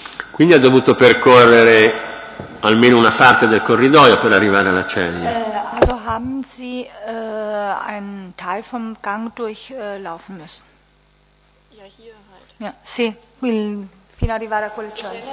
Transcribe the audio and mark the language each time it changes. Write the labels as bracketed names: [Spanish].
[Italian] Quindi ha dovuto percorrere... almeno una parte del corridoio per arrivare alla cella. [German] Also haben Sie einen Teil vom Gang durchlaufen müssen? Ja, hier halt. [Italian] Ja, sì, quindi fino ad arrivare a quel cielo.